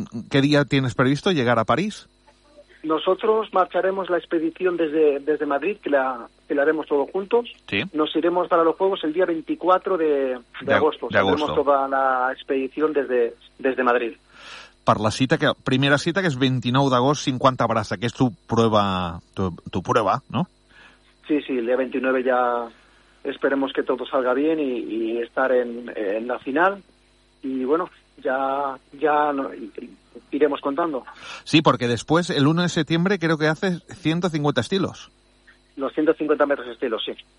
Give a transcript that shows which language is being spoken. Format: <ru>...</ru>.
<es>¿Qué día tienes previsto llegar a París? Nosotros marcharemos la expedición desde Madrid, que la haremos todos juntos. ¿Sí? Nos iremos para los Juegos el día 24 de agosto. De agosto. Haremos toda la expedición desde Madrid.</es> <ca>Per la cita, primera cita, que és 29 d'agost, 50 braça, que és tu prova, no?</ca> <es>Sí, sí, el día 29 ja esperemos que todo salga bien y estar en la final. Y bueno, ya no, iremos contando. Sí, porque después, el 1 de septiembre, creo que hace 150 estilos. Los 150 metros estilos, sí.</es>